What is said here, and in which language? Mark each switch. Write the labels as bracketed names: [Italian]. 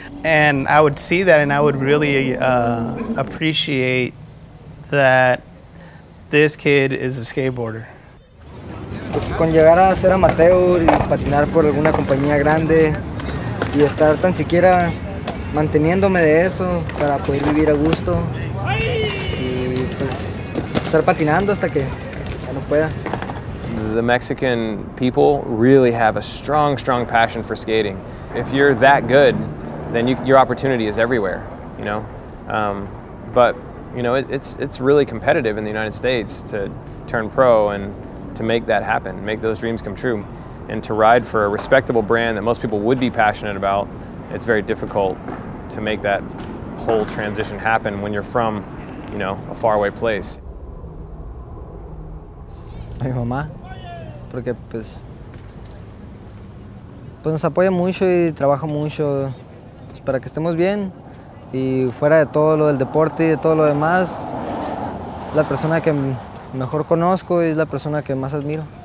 [English] And I would see that and I would really appreciate that this kid is a skateboarder. [Spanish] Pues con llegar a ser amateur y patinar por alguna compañía grande y estar tan siquiera manteniéndome de eso para poder vivir a gusto y pues estar patinando hasta que ya no pueda. [English] The Mexican people really have a strong, strong passion for skating. If you're that good, then your opportunity is everywhere, you know. But you know, it's really competitive in the United States to turn pro and to make that happen, make those dreams come true. And to ride for a respectable brand that most people would be passionate about, it's very difficult to make that whole transition happen when you're from, you know, a faraway place. [Spanish] Mi mamá, porque pues, nos apoya mucho y trabaja mucho pues, para que estemos bien. Y fuera de todo lo del deporte y de todo lo demás, la persona que mejor conozco y es la persona que más admiro.